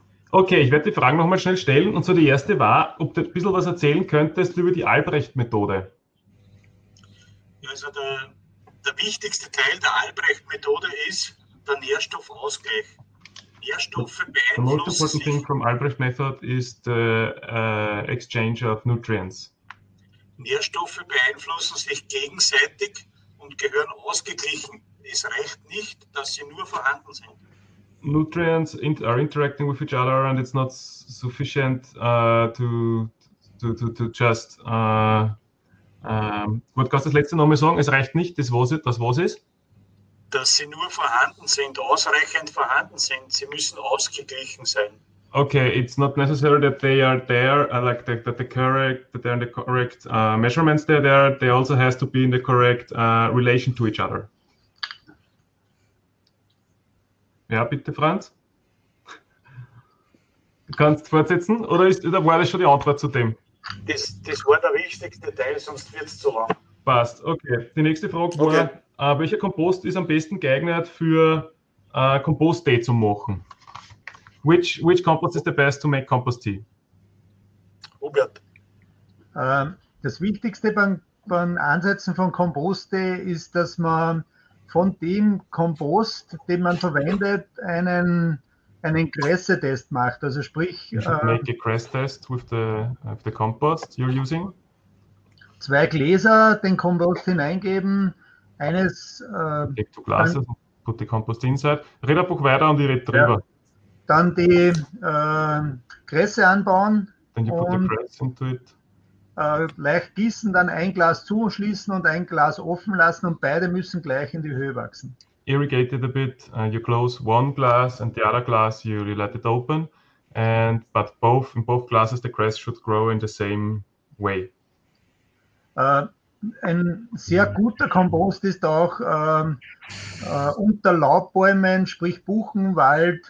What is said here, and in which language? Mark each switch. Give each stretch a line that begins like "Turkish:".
German: Okay, ich werde die Fragen nochmal schnell stellen. Und so die erste war, ob du ein bisschen was erzählen könntest über die Albrecht-Methode. Ja, also der wichtigste Teil der Albrecht-Methode ist der Nährstoffausgleich. Nährstoffe beeinflussen.
English: The most important thing from Albrecht method is the exchange of nutrients.
German: Nährstoffe beeinflussen sich gegenseitig und gehören ausgeglichen. Es reicht nicht, dass sie nur vorhanden sind.
English: Nutrients are interacting with each other and it's not sufficient to just gut, kannst du das letzte nochmal sagen?
German: Es reicht nicht, das was ist? Dass sie nur vorhanden sind, ausreichend vorhanden sind. Sie müssen ausgeglichen sein.
English: Okay, it's not necessary that they are there, that they're in the correct measurements they're there. They also has to be in the correct relation to each other.
German: Ja, bitte, Franz. Du kannst fortsetzen oder war das schon die Antwort zu dem? Das war der wichtigste Teil, sonst wird es zu lang. Passt, okay. Die nächste Frage war, welcher Kompost ist am besten geeignet für Kompost-Tee zu machen?
English: Which compost is the best to make compost tea?
German: Robert. Das Wichtigste beim Ansetzen von Kompost-Tee ist, dass man von dem Kompost, den man verwendet, einen Grässetest macht, also sprich...
English: Make a Grässetest with the compost you're using.
German: Zwei Gläser, den Kompost hineingeben, eines...
English: Take two glasses, put the compost inside.
German: Red ein Buch weiter und ich rede drüber. Dann die Grässe anbauen.
English: Then you put the grass into it.
German: Leicht gießen, dann ein Glas zuschließen und ein Glas offen lassen und beide müssen gleich in die Höhe wachsen.
English: Irrigate it a bit, you close one glass and the other glass you let it open. But in both glasses the grass should grow in the same way.
German: Ein sehr guter Kompost ist auch unter Laubbäumen, sprich Buchen, Wald.